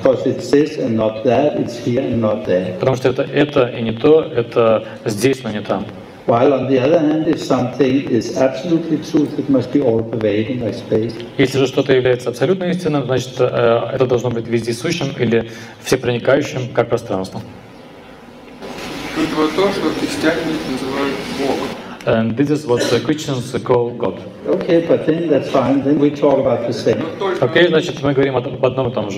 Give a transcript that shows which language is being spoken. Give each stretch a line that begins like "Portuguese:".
English: Because it's this and not that, it's here and not there.
Russian: Потому что это и не то, это здесь, но не там.
English: While on the other hand, if something is absolutely truth, it must be all-pervading, like space.
Russian: Если же что-то является абсолютной истиной, значит, это должно быть вездесущим или всепроникающим, как пространство. Это вот то, что христиане называют Богом.
English: And this is what the Christians call God. Okay, but then that's fine. Then we talk about the same.
Russian: Okay, значит, мы говорим об одном и том же.